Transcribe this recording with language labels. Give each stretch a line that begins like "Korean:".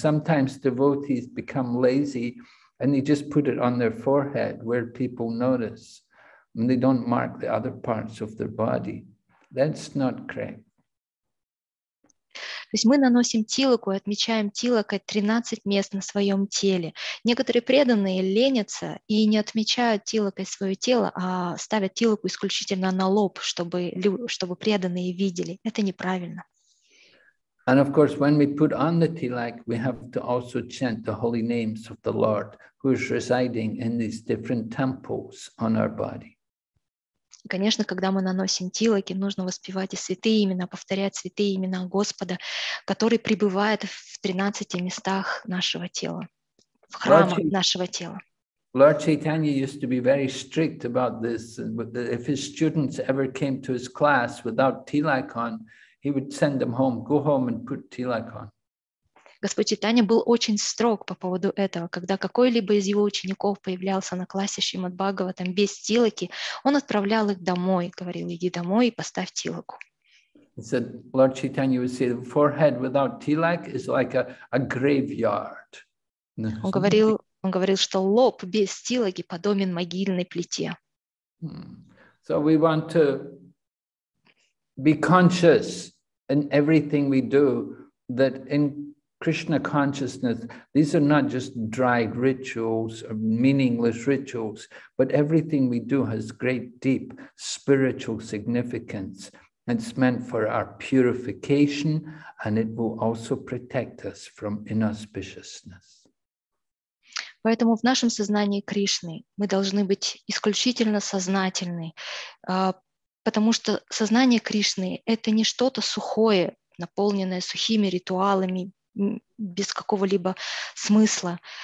English: Sometimes devotees become lazy and they just put it on their forehead where people notice and they don't mark the other parts of their body. That's not correct.
Russian: То есть мы наносим тилаку и отмечаем тилакой 13 мест на своем теле. Некоторые преданные ленятся и не отмечают тилакой свое тело, а ставят тилаку исключительно на лоб, чтобы преданные видели. Это неправильно.
English: And of course, when we put on the tilak, we have to also chant the holy names of the Lord, who is residing in these different temples on our body.
Russian: Конечно, когда мы наносим тилаки, нужно воспевать и святые имена, повторять святые имена Господа, который пребывает в 13 местах нашего тела, в храмах нашего тела.
English: Lord Chaitanya used to be very strict about this. If his students ever came to his class without tilak on, He would send them home, go home and put tilak on.
Russian: Господь Чайтанья был очень строг по поводу этого. Когда какой-либо из его учеников появлялся на классе Шримад-Бхагаватам без тилаки, он отправлял их домой, говорил, иди домой и поставь тилаку.
English: He said, Lord Chaitanya would say, the forehead without tilak is like a graveyard.
Russian: Он говорил, что лоб без тилаки подобен могильной плите.
English: So we want to be conscious in everything we do, that in Krishna consciousness, these are not just dried rituals or meaningless rituals, but everything we do has great deep spiritual significance. It's meant for our purification, and it will also protect us from inauspiciousness.
Russian: Поэтому в нашем сознании Кришны мы должны быть исключительно сознательны, потому что сознание Кришны — это не что-то сухое, наполненное сухими ритуалами, без какого-либо смысла.